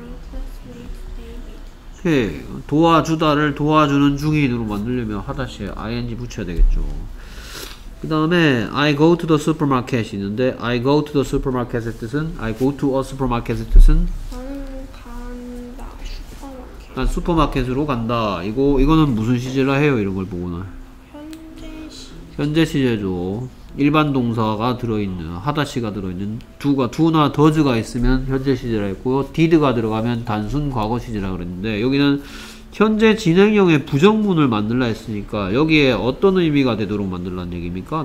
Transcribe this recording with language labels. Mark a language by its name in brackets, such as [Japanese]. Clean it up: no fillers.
[English] We were helping our classmate David. [Korean] 도와주다를 도와주는 중인으로 만들려면 하다시 ing 붙여야 되겠죠. 그 다음에 [English] I go to the supermarket [Korean] 있는데 [English] I go to the supermarket의 뜻은 I go to a supermarket의 뜻은 [Korean] 간다 슈퍼마켓 난 슈퍼마켓으로 간다 이거는 무슨 시제라 해요 이런 걸 보고는 현재 시제 현재 시제죠 일반 동사가 들어있는 하다시가 들어있는 두가 두나 더즈가 있으면 현재 시제라 했고 디드가 들어가면 단순 과거 시제라 그랬는데 여기는 현재 진행형의 부정문을 만들라 했으니까 여기에 어떤 의미가 되도록 만들라는 얘기입니까?